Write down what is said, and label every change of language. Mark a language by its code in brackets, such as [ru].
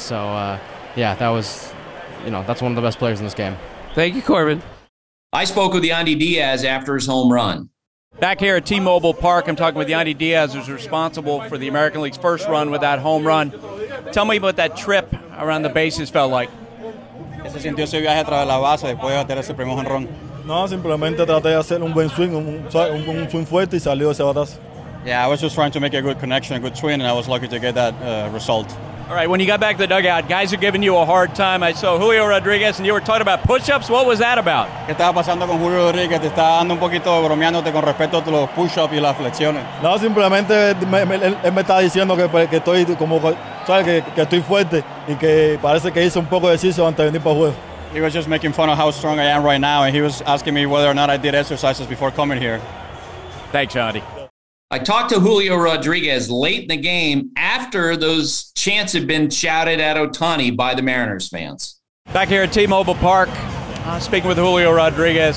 [en] So, that was, that's one of the best players in this game. Thank you, Corbin. I spoke with Yandy Diaz after his home run. Back here at T-Mobile Park, I'm talking with Yandy Diaz, who's responsible for the American League's first run with that home run. Tell me what that trip around the bases felt like. [es] ¿Se sintió ese viaje a través de la base después de hacer ese primer home run? No, simplemente traté de hacer un buen swing, un swing fuerte y salió ese batazo. [en] Yeah, I was just trying to make a good connection, a good swing, and I was lucky to get that result. All right, when you got back to the dugout, guys are giving you a hard time. I saw Julio Rodriguez, and you were talking about push-ups. What was that about? [es] ¿Qué estaba pasando con Julio Rodriguez? Te estaba dando un poquito bromeándote con respecto a los push-ups y las flexiones. No, simplemente él me está diciendo que estoy como, ¿sabes? Que estoy fuerte y que parece que hice un poco de ejercicio antes de venir para juego. [en] He was just making fun of how strong I am right now, and he was asking me whether or not I did exercises before coming here. Thanks, Johnny. I talked to Julio Rodriguez late in the game after those chants had been shouted at Ohtani by the Mariners fans. Back here at T-Mobile Park, speaking with Julio Rodriguez.